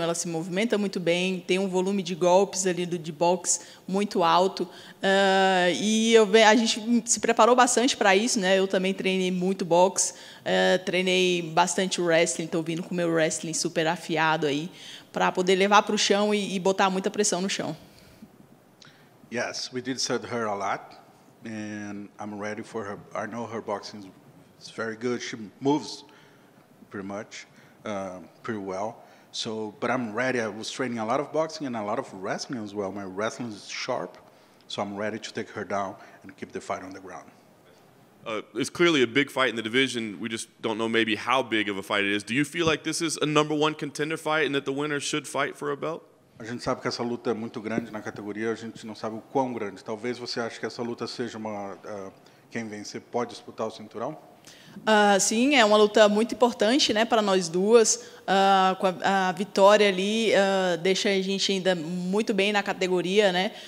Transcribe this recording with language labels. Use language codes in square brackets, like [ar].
[pt] Ela se movimenta muito bem. Tem um volume de golpes ali de boxe muito alto. A gente se preparou bastante para isso, né? Eu também treinei muito boxe, treinei bastante wrestling. Estou vindo com meu wrestling super afiado aí para poder levar para o chão e botar muita pressão no chão. [en] Yes, we did set her a lot, and I'm ready for her. I know her boxing is very good. She moves pretty much, pretty well. So, but I'm ready. I was training a lot of boxing and a lot of wrestling as well. My wrestling is sharp, so I'm ready to take her down and keep the fight on the ground. It's clearly a big fight in the division. We just don't know maybe how big of a fight it is. Do you feel like this is a number one contender fight and that the winner should fight for a belt? [pt] A gente sabe que essa luta é muito grande na categoria, a gente não sabe o quão grande. Talvez você ache que essa luta seja uma... quem vencer pode disputar o cinturão? Sim, é uma luta muito importante, né, para nós duas. A vitória ali deixa a gente ainda muito bem na categoria, né?